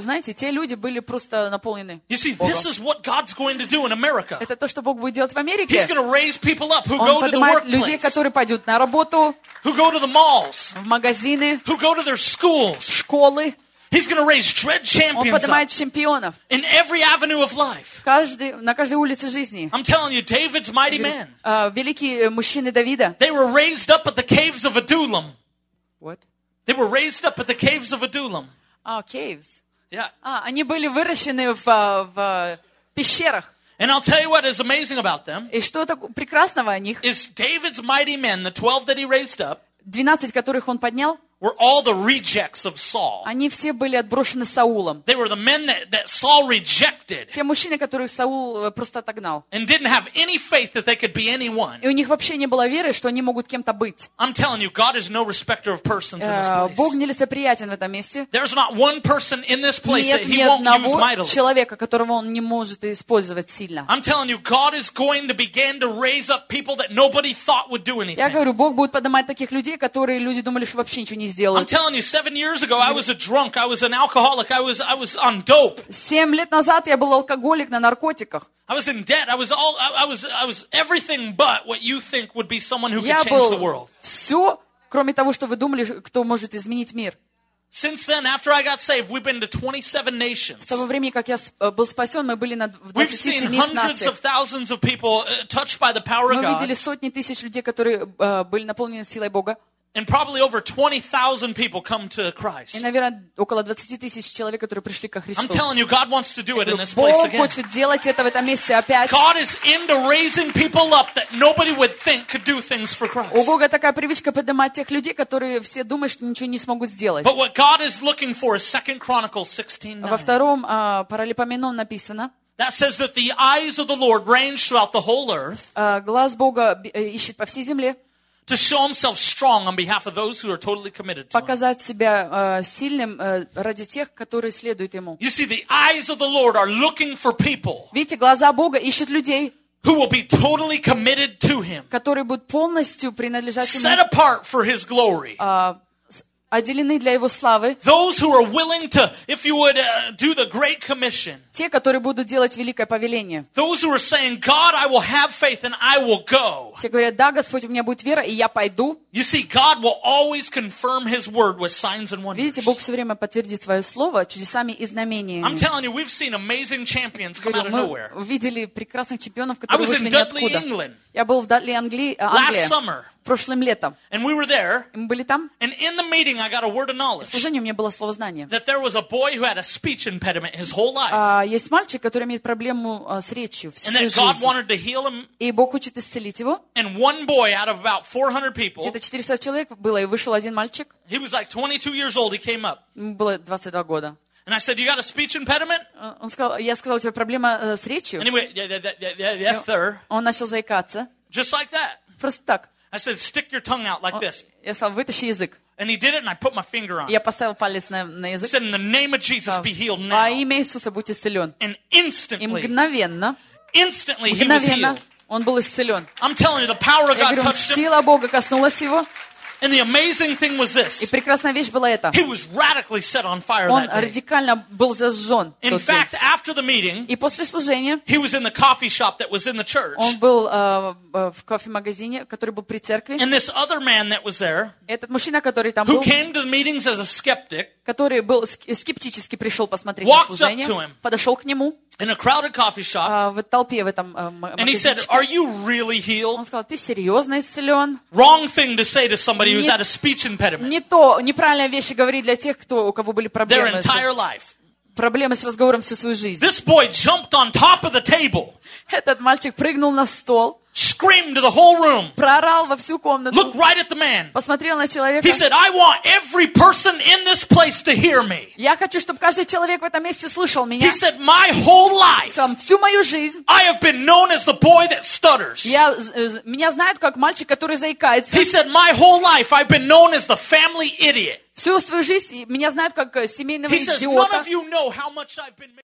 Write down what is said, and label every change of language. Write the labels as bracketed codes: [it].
[ru] Знаете, те люди были просто наполнены. [en] You see, this is what God's going to do in America. [ru] Это то, что Бог будет делать в Америке. [en] He's going to raise people up who [ru] Он [en] go to the workplace. [ru] Людей, которые пойдут на работу. [en] Who go to the malls. [ru] В магазины. [en] Who go to their schools. [ru] Школы. [en] He's going to raise dread champions. [ru] Он поднимает чемпионов. [en] In every avenue of life. [ru] На каждой улице жизни. [en] I'm telling you, David's mighty man. [ru] Великие мужчины Давида. [en] They were raised up at the caves of Adullam. What? They were raised up at the caves of Adullam. Oh, caves. Yeah. [ru] Они были выращены в пещерах. [en] And I'll tell you what is amazing about them. [ru] И что так прекрасного о них? [en] Is David's mighty men, the 12 that he raised up. [ru] 12, которых он поднял. [en] Were all the rejects of Saul. [ru] Они все были отброшены Саулом. [en] They were the men that Saul rejected. [ru] Те мужчины, которых Саул просто отогнал. [en] And didn't have any faith that they could be anyone. [ru] И у них вообще не было веры, что они могут кем-то быть. [en] I'm telling you, God is no respecter of persons in this place. [ru] Бог нелицеприятен в этом месте. [en] There's not one person in this place [ru] нет, [en] that he won't use mightily. [ru] Нет ни одного человека, которого он не может использовать сильно. [en] I'm telling you, God is going to begin to raise up people that nobody thought would do anything. [ru] Я говорю, Бог будет поднимать таких людей, которые люди думали, что вообще ничего не сделать. [en] I'm telling you, 7 years ago, I was a drunk, I was an alcoholic, I was on dope. [ru] 7 лет назад я был алкоголик на наркотиках. [en] I was in debt. I was everything but what you think would be someone who could change the world. [ru] Я был все, кроме того, что вы думали, кто может изменить мир. [en] Since then, after I got saved, we've been to 27 nations. [ru] С того времени, как я был спасен, мы были на 27 нациях. [en] We've seen hundreds of thousands of people touched by the power of God. [ru] Мы видели сотни тысяч людей, которые были наполнены силой Бога. [en] And probably over 20,000 people come to Christ. [ru] И, наверное, около 20,000 человек, которые пришли ко Христу. [en] I'm telling you, God wants to do it in this place again. [ru] Бог хочет делать это в этом месте опять. [en] God is into raising people up that nobody would think could do things for Christ. [ru] У Бога такая привычка поднимать тех людей, которые все думают, что ничего не смогут сделать. [en] But what God is looking for is 2 Chronicles 16:9. [ru] Во втором Паралипоменон написано. [en] That says that the eyes of the Lord range throughout the whole earth. [ru] Глаз Бога ищет по всей земле. [en] To show himself strong on behalf of those who are totally committed to him. [ru] Показать себя сильным ради тех, которые следуют ему. [en] You see, the eyes of the Lord are looking for people. [ru] Видите, глаза Бога ищут людей. [en] Who will be totally committed to him. [ru] Которые будут полностью принадлежать ему. [en] Set apart for his glory. [ru] Отделены для его славы. [en] Those who are willing to, if you would, do the great commission. [ru] Те, которые будут делать великое повеление. [en] Those who are saying, God, I will have faith and I will go. [ru] Те говорят, да, Господь, у меня будет вера, и я пойду. [en] You see, God will always confirm His word with signs and wonders. [ru] Видите, Бог все время подтвердит свое слово чудесами и знамениями. [en] I'm telling you, we've seen amazing champions come out of nowhere. [ru] Мы видели прекрасных чемпионов, которые вышли ниоткуда. [en] I was in Dudley, England. [ru] Я был в Англии. [en] Last summer. [ru] Прошлым летом. [en] And we were there. [ru] И мы были там. [en] And in the meeting, I got a word of knowledge. [ru] В служении у меня было слово знания. [en] That there was a boy who had a speech impediment his whole life. [ru] Есть мальчик, который имеет проблему с речью всю жизнь. [en] And that God wanted to heal him. [ru] И Бог хочет исцелить его. [en] And one boy out of about 400 people. [ru] Где-то 400 человек было, и вышел один мальчик. [en] He was like 22 years old. He came up. [ru] Было 22 года. [en] And I said, "You got a speech impediment?" [ru] Он сказал, я сказал, у тебя проблема с речью. [en] Anyway, yeah, [ru] он начал заикаться. [en] Just like that. [ru] Просто так. [en] I said, "Stick your tongue out like this." [ru] Я сказал, вытащи язык. [en] And he did it, and I put my finger on. [ru] Я поставил палец на язык. [en] He said, "In the name of Jesus, be healed now." [ru] Во имя Иисуса будь исцелен. [en] And instantly. И мгновенно. Instantly, he was healed. [ru] Он был исцелен. [en] I'm telling you, the power of God touched him. [ru] Я говорю, сила Бога коснулась его. [en] And the amazing thing was this. [ru] И прекрасная вещь была эта. [en] He was radically set on fire [ru] Он [en] that day. [ru] Он радикально был зажжен. [en] In fact, after the meeting, [ru] и после служения, [en] he was in the coffee shop that was in the church. [ru] Он был в кофемагазине, который был при церкви. [en] And this other man that was there, [ru] этот мужчина, который там был, [en] who came to the meetings as a skeptic, [ru] который был скептически пришел посмотреть на служение, подошел к нему. [en] In a crowded coffee shop, [ru] в толпе в этом магазине. [en] And he said, "Are you really healed?" [ru] Он сказал, ты серьезно исцелен? [en] Wrong thing to say to somebody who's had a speech impediment. [ru] Не то, неправильные вещи говорить для тех, кто у кого были проблемы. [en] Their entire life. [ru] Проблемы с разговором всю свою жизнь. [en] This boy jumped on top of the table. [ru] Этот мальчик прыгнул на стол. [en] Screamed to the whole room. [ru] Прорал во всю комнату. [en] Looked right at the man. [ru] Посмотрел на человека. [en] He said, "I want every person in this place to hear me." [ru] Я хочу, чтобы каждый человек в этом месте слышал меня. [en] He said, "My whole life." [ru] Сам всю мою жизнь. [en] I have been known as the boy that stutters. [ru] Меня знают как мальчик, который заикается. [en] He said, "My whole life, I've been known as the family idiot." [ru] Всю свою жизнь меня знают как семейного идиота. [en] He says, "None of you know how much I've been..."